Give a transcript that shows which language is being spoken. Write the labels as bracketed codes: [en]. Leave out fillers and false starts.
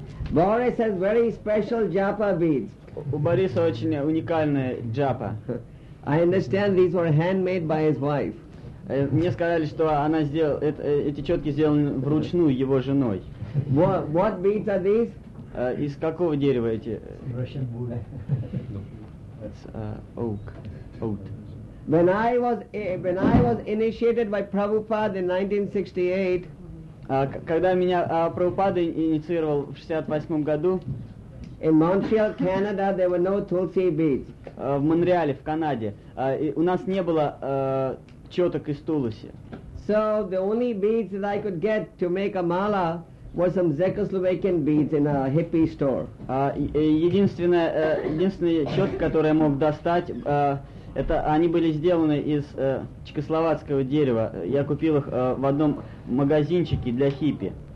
[en] Boris has very special japa beads. [ru] У Бориса очень уникальная джапа. [en] I understand these were handmade by his wife. [ru] Мне сказали, что она сделала эти четки сделаны вручную его женой. [en] What beads are these? [ru] Из какого дерева эти? [en] Russian wood. It's oak. Oak. When I was initiated by Prabhupada in 1968. [ru] Когда меня Прабхупада инициировал в 68 году. [en] In Montreal, Canada, there were no tulsi beads. [ru] В Монреале, в Канаде, у нас не было четок из тулуси. [en] So the only beads that I could get to make a mala were some Czechoslovakian beads in a hippie store. [ru] Единственная четка, которую я мог достать, это они были сделаны из чехословацкого дерева. Я купил их в одном магазинчике для хиппи.